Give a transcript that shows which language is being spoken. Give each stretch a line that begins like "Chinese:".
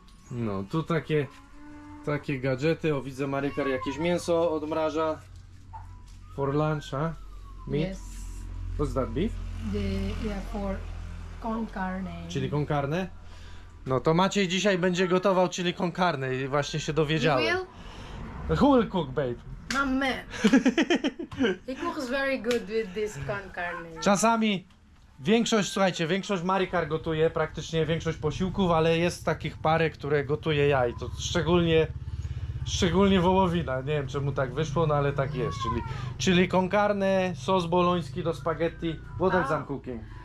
Polish: No, tu takie gadżety. O, widzę, Marykar jakieś mięso odmraża.
English: For lunch, huh? Meat? Yes. What's that beef? For con carne.
Polish: Czyli con carne? No to Maciej dzisiaj będzie gotował chili con carne i właśnie się dowiedziałem.
English: You will? Who will cook, babe? My man. He cooks very good with this con carne.
Polish: Czasami większość Marykar gotuje, praktycznie większość posiłków, ale jest takich parę, które gotuje ja, i to szczególnie wołowina. Nie wiem, czemu tak wyszło, no ale tak jest. Czyli con carne, sos boloński do spaghetti.
English: What else I'm cooking?